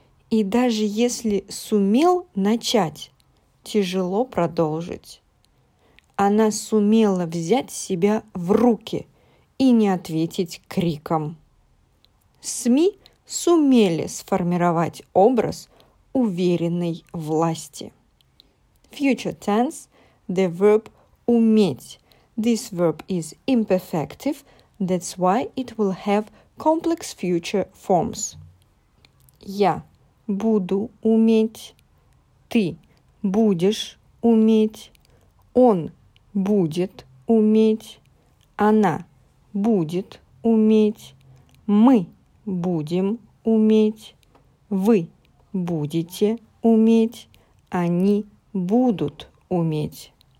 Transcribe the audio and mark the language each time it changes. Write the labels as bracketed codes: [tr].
[ru] И даже если сумел начать, тяжело продолжить. Она сумела взять себя в руки и не ответить криком. СМИ сумели сформировать образ уверенной власти. [en] Future tense, the verb уметь. This verb is imperfective, that's why it will have complex future forms. [ru] Я буду уметь, ты будешь уметь, он будет уметь, она будет уметь, мы будем уметь, вы будете уметь, они будут уметь.